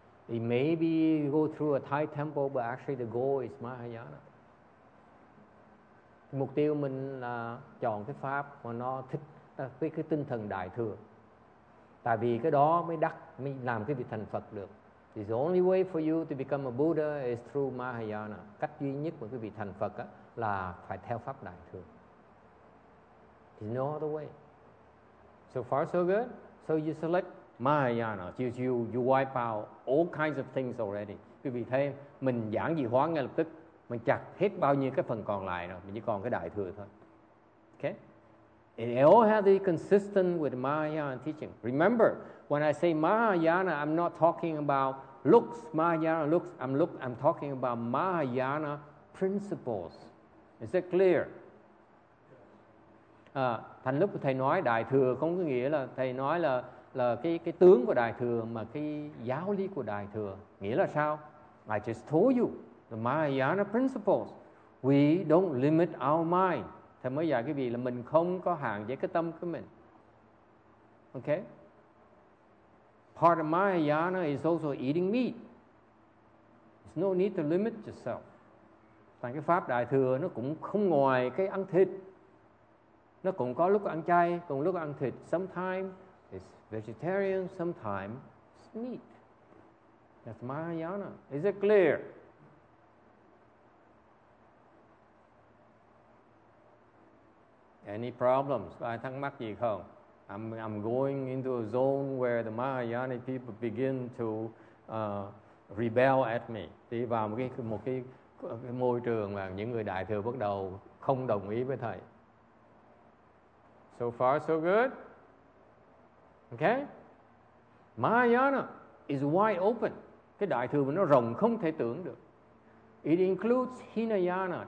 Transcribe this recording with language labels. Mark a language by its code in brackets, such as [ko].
[en] It may be you go through a Thai temple, but actually the goal is Mahayana. [vi] Mục tiêu mình là chọn cái pháp mà nó thích cái tinh thần Đại Thừa. Tại vì cái đó mới đắc, mới làm cái vị thành Phật được. [en] The only way for you to become a Buddha is through Mahayana. [vi] Cách duy nhất của cái vị thành Phật á, là phải theo pháp Đại Thừa. [en] There's no other way. So far so good. So you select Mahayana, you wipe out all kinds of things already. [vi] Quý vị thấy, mình giảng dị hóa ngay lập tức, mình chặt hết bao nhiêu cái phần còn lại rồi, mình chỉ còn cái Đại Thừa thôi. [en] Okay? It all has to be consistent with Mahayana teaching. Remember, when I say Mahayana, I'm not talking about looks, Mahayana looks, I'm talking about Mahayana principles. Is that clear? [vi] Thành lúc thầy nói Đại Thừa không có nghĩa là thầy nói là cái tướng của Đại Thừa, mà cái giáo lý của Đại Thừa nghĩa là sao? [en] I just told you the Mahayana principles. We don't limit our mind. [vi] Thầy mới dạy cái gì là mình không có hạn chế cái tâm của mình. Okay. [en] Part of Mahayana is also eating meat. There's no need to limit yourself. [vi] Thành cái pháp Đại Thừa nó cũng không ngoài cái ăn thịt. Nó cũng có lúc ăn chay, cũng lúc ăn thịt. [en] Sometimes it's vegetarian, sometimes meat. That's Mahayana. Is it clear? Any problems? [vi] Có ai thắc mắc gì không? [en] I'm going into a zone where the Mahayana people begin to rebel at me. [vi] Đi vào một cái môi trường mà những người Đại Thừa bắt đầu không đồng ý với thầy. [en] So far, so good. Okay, Mahayana is wide open. [vi] Cái Đại Thừa nó rộng không thể tưởng được. [en] It includes Hinayana.